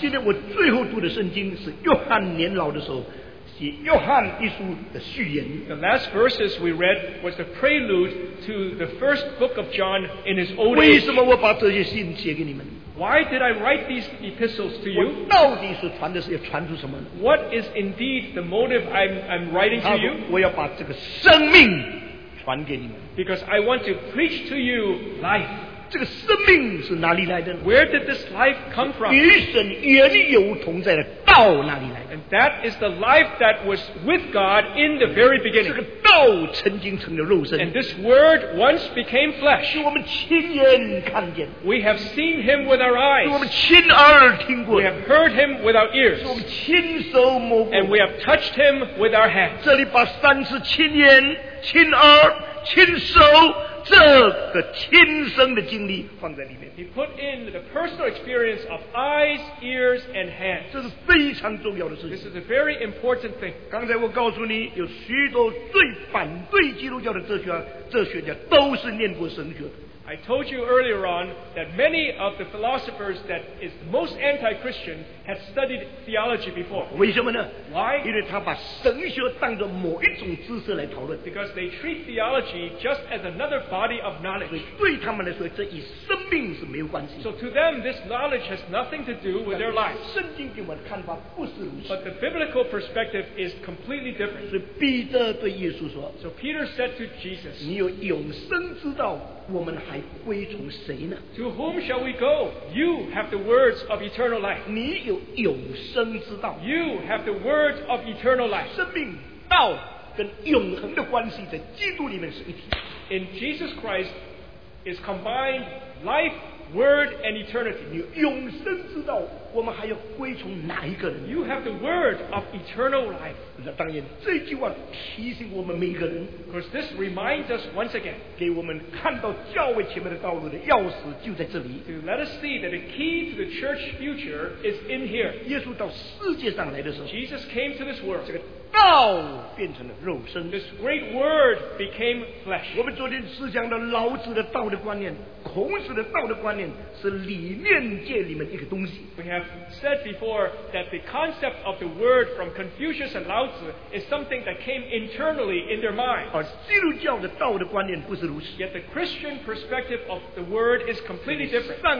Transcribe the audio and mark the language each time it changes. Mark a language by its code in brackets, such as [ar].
[zh] 今天我最后读的圣经是约翰年老的时候写约翰一书的序言。 [en] The last verses we read was the prelude to the first book of John in his old age. [zh] 为什么我把这些信写给你们？ [en] Why did I write these epistles to you? [zh] 我到底是传的是要传出什么？ [en] What is indeed the motive I'm writing to you? [zh] 我要把这个生命传给你们。 [en] Because I want to preach to you life. [zh] 这个生命是哪里来的？ [en] Where did this life come from? [zh] 与神原有同在的道哪里来的？ [en] And that is the life that was with God in the very beginning. [zh] 这个道曾经成了肉身。 [en] And this word once became flesh. [zh] 是我们亲眼看见。 [en] We have seen him with our eyes. [zh] 是我们亲耳听过。 [en] We have heard him with our ears. [zh] 是我们亲手摸过。 [en] And we have touched him with our hands. [zh] 这里把三次亲眼、亲耳、亲手这个亲身的经历放在里面。 [en] He put in the personal experience of eyes, ears, and hands. [zh] 这是非常重要的事情。 [en] This is a very important thing. [zh] 刚才我告诉你，有许多最反对基督教的哲学家都是念过神学的。 [en] I told you earlier on that many of the philosophers that is the most anti-Christian had studied theology before. [zh] 为什么呢？ [en] Why? [zh] 因为他把神学当作某一种知识来讨论。 [en] Because they treat theology just as another body of knowledge. [zh] 所以对他们来说，这与生命是没有关系。 [en] So to them, this knowledge has nothing to do with their life. [zh] 圣经给我们的看法不是如此。 [en] But the biblical perspective is completely different. [zh] 所以彼得对耶稣说， [en] So Peter said to Jesus, [zh] 你有永生之道，我们还归从谁呢？ [en] To whom shall we go? You have the words of eternal life. [zh] 你有永生之道。 [en] You have the words of eternal life. [zh] 生命道跟永恒的关系在基督里面是一体。 [en] In Jesus Christ is combined life Word and eternity. [zh] 你永生知道我们还要归从哪一个人。 [en] You have the word of eternal life. [zh] 当然这句话提醒我们每一个人。 [en] Because this reminds us once again. [zh] 给我们看到教会前面的道路的钥匙就在这里。 [en] To let us see that the key to the church future is in here. [zh] 耶稣到世界上来的时候, [en] Jesus came to this world. [zh] 道变成了肉身。 [en] This great word became flesh. [zh] 我们昨天思想的老子的道的观念, 孔子的道的观念, 是理念界里面一个东西。 [en] We have said before that the concept of the word from Confucius and Laozi is something that came internally in their mind. [zh] 而基督教的道的观念不是如此。 [en] Yet the Christian perspective of the word is completely different.